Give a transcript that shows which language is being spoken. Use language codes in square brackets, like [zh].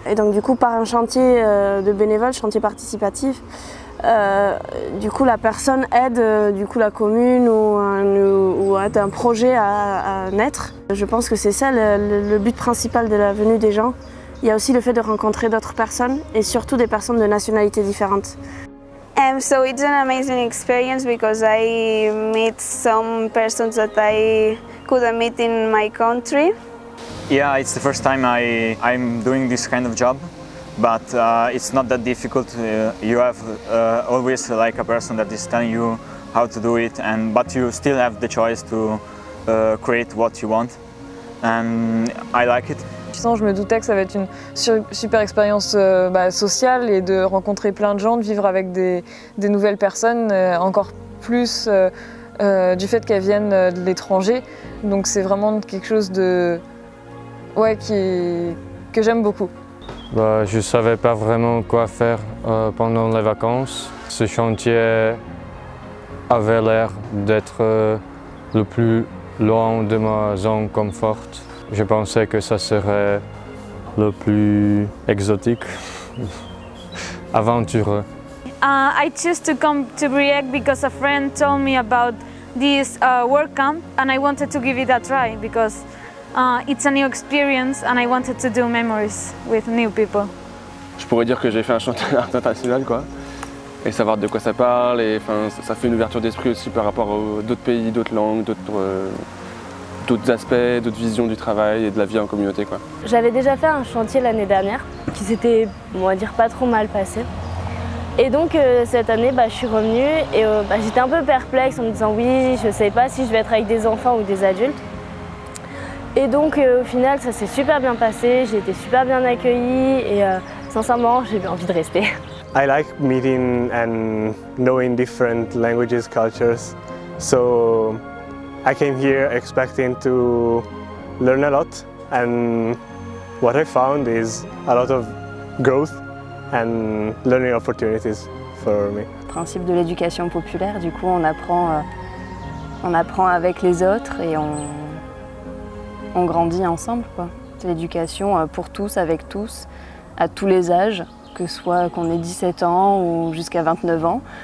[fr] Et donc du coup par un chantier de bénévoles, chantier participatif, du coup la personne aide du coup la commune ou aide un projet à naître. Je pense que c'est ça le but principal de la venue des gens. Il y a aussi le fait de rencontrer d'autres personnes et surtout des personnes de nationalités différentes. [en] So it's an amazing experience because I meet some persons that I couldn't meet in my country. Yeah, it's the first time I'm doing this kind of job, but it's not that difficult. You have always like a person that is telling you how to do it, but you still have the choice to create what you want, and I like it. [fr] Je me doutais que ça va être une super expérience sociale et de rencontrer plein de gens, de vivre avec des nouvelles personnes, encore plus du fait qu'elles viennent de l'étranger. Donc c'est vraiment quelque chose de, ouais, que j'aime beaucoup. Bah, je ne savais pas vraiment quoi faire pendant les vacances. Ce chantier avait l'air d'être le plus loin de ma zone confort. Je pensais que ça serait le plus exotique, aventureux. [en] I chose to come to Brieg because a friend told me about this work camp and I wanted to give it a try because it's a new experience and I wanted to do memories with new people. [fr] Je pourrais dire que j'ai fait un chantier d'art international, quoi, et savoir de quoi ça parle et enfin ça fait une ouverture d'esprit aussi par rapport à d'autres pays, d'autres langues, d'autres aspects, d'autres visions du travail et de la vie en communauté, quoi. J'avais déjà fait un chantier l'année dernière qui s'était, on va dire, pas trop mal passé. Et donc cette année, je suis revenue et j'étais un peu perplexe en me disant oui, je sais pas si je vais être avec des enfants ou des adultes. Et donc au final, ça s'est super bien passé, j'ai été super bien accueillie et sincèrement, j'ai bien envie de rester. [en] I like meeting and knowing different languages, cultures. So I came here expecting to learn a lot, and what I found is a lot of growth and learning opportunities for me. [fr] Le principe de l'éducation populaire, du coup, on apprend avec les autres et on grandit ensemble, quoi. C'est l'éducation pour tous, avec tous, à tous les âges, que soit qu'on ait 17 ans ou jusqu'à 29 ans.